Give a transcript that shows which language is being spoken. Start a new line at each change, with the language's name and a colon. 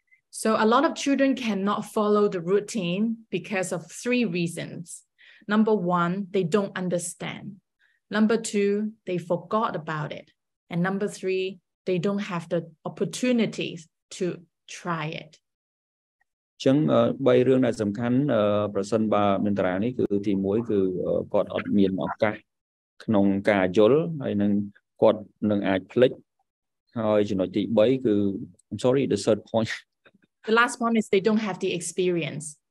English: So a lot of children cannot follow the routine because of three reasons. Number 1, they don't understand. Number 2, they forgot about it. And number 3, they don't have the opportunities to try it.
Khmer: ចឹង3រឿងដែលសំខាន់ប្រសិនបើមានតារានេះគឺទី1គឺគាត់អត់មានឱកាសក្នុងការយល់ហើយនឹងគាត់នឹងអាចភ្លេចហើយចំណុចទី3គឺ
English: I'm sorry the third point The last one is they don't have the experience